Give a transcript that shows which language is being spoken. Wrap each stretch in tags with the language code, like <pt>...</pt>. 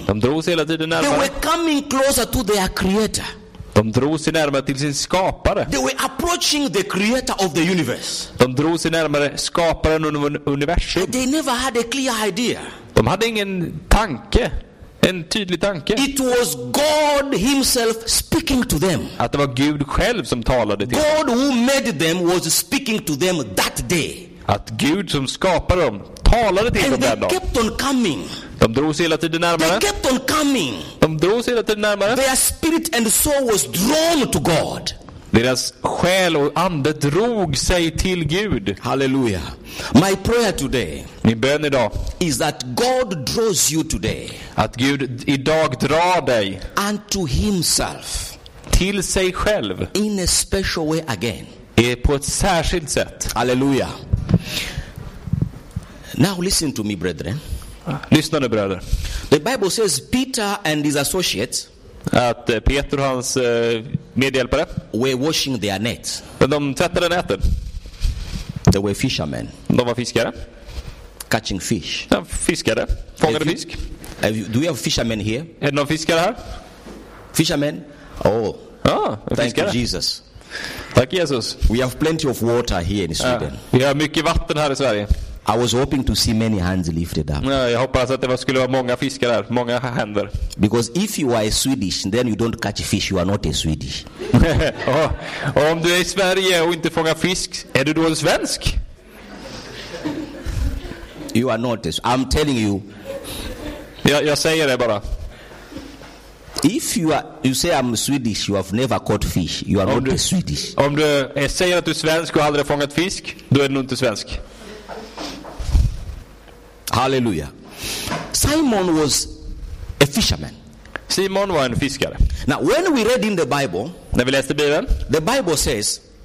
<sv>De drogs hela tiden närmare.</sv> <en>They were coming closer to their creator.</en> <sv>De drogs närmare till sin skapare.</sv> <en>They were approaching the creator of the universe.</en> <sv>De drogs närmare skaparen av universum.</sv> <en>They never had a clear idea.</en> <sv>De hade ingen tanke, en tydlig tanke.</sv> <en>It was God himself speaking to them.</en> <sv>Att det var Gud själv som talade till</sv> <en>God</en> <sv>dem.</sv> <en>God who made them was speaking to them that day.</en> <sv>Att Gud som skapade dem talade till</sv> <en>and</en> <sv>dem den dagen.</sv> <en>They kept on coming.</en> <sv>De drog sig hela tiden närmare.</sv> <en>They kept on coming.</en> <sv>De drog sig hela tiden närmare.</sv> <en>Their spirit and soul was drawn to God.</en> <sv>Deras själ och ande drog sig till Gud.</sv> <en>Halleluja. My prayer today.</en> <sv>Min bön idag.</sv> <en>Is that God draws you today.</en> <sv>Att Gud idag drar dig.</sv> <en>Unto himself.</en> <sv>Till sig själv.</sv> <en>In a special way again.</en> <sv>På ett särskilt sätt. Halleluja.</sv> <en>Now listen to me brethren.</en> <sv>Lyssna nu bröder.</sv> <en>The Bible says Peter and his associates.</en> <sv>Att Peter och hans medhjälpare</sv> <en>were washing their nets.</en> <sv>De tvättade näten.</sv> <en>They were fishermen.</en> <sv>De var fiskare.</sv> <en>Catching fish.</en> <sv>De fiskade, fångade fisk.</sv> <en>Do we have fishermen here?</en> <sv>Är det någon fiskare här?</sv> <en>Fishermen? Oh, ah, thank you Jesus.</en> <sv>Tack Jesus.</sv> <en>We have plenty of water here in Sweden.</en> <sv>Vi har mycket vatten här i Sverige.</sv> <en>I was hoping to see many hands lifted up.</en> <sv>Ja, jag hoppas att det skulle vara många fiskar där, många händer.</sv> <en>Because if you are a Swedish, then you don't catch fish, you are not a Swedish.</en> <sv>Och om du är i Sverige och inte fångar fisk, är du då en svensk?</sv> <en>You are not. I'm telling you.</en> <sv>Jag säger det bara.</sv> <en>If you are, you say I'm Swedish, you have never caught fish. You are not a Swedish.</en> <sv>Om du säger att du är svensk och aldrig fångat fisk, då är du inte svensk.</sv> <en>Hallelujah. Simon was a fisherman.</en> <sv>Simon var en fiskare.</sv> <en>Now, when we read in the Bible,</en> <sv>när vi läste Bibeln,</sv> <en>the Bible says,</en>